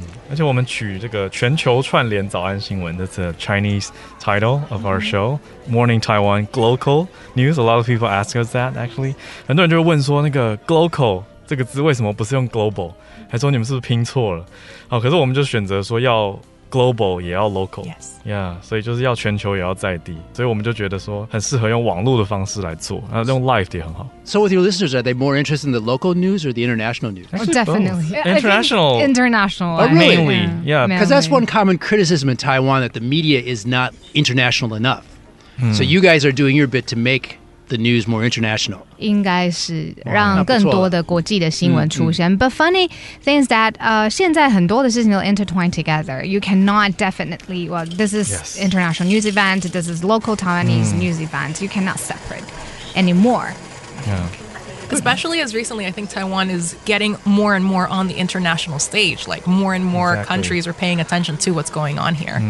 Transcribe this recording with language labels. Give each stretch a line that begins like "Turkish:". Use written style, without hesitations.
Chinese: 而且我们取这个全球串联早安新闻
English: That's a Chinese title of our show Morning Taiwan Glocal News A lot of people ask us that actually
Chinese: 很多人就问说那个
English: Glocal
Chinese: 这个字为什么不是用 global， 还说你们是不是拼错了。好，可是我们就选择说要 global 也要 local、
English: yes.
Chinese: yeah, 所以就是要全球也要在地，所以我们就觉得说很适合用网络的方式来做，那用 live 也很好。
English: So with your listeners, are they more interested in the local news or the international news? Actually, definitely. International. International. Oh, really? Mainly. Yeah. Because that's one common criticism in Taiwan, that the media is not international enough. So you guys are doing your bit to make the news more international.
Chinese: 应该是让更多的国际的新闻出现。
English: But funny thing is that
Chinese: 现在很多的事情都
English: intertwine together. You cannot definitely, well, this is international news event, this is local Taiwanese news event. You cannot separate anymore. Yeah. Especially as recently, I think Taiwan is getting more and more on the international stage. Like more and more countries are paying attention to what's going on here.